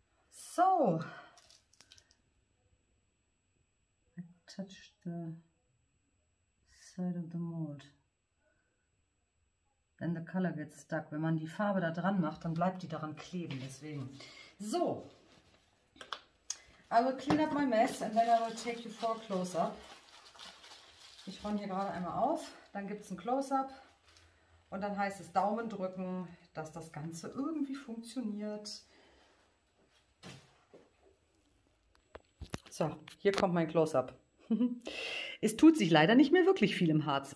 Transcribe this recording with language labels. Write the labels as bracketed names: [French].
[English] So, I touched the side of the mold. Then the color gets stuck. [German] Wenn man die Farbe da dran macht, dann bleibt die daran kleben. Deswegen. [English] So, I will clean up my mess and then I will take you for a close-up. [German] Ich räume hier gerade einmal auf, dann gibt es ein Close-up und dann heißt es Daumen drücken, dass das Ganze irgendwie funktioniert. So, hier kommt mein Close-up. Es tut sich leider nicht mehr wirklich viel im Harz.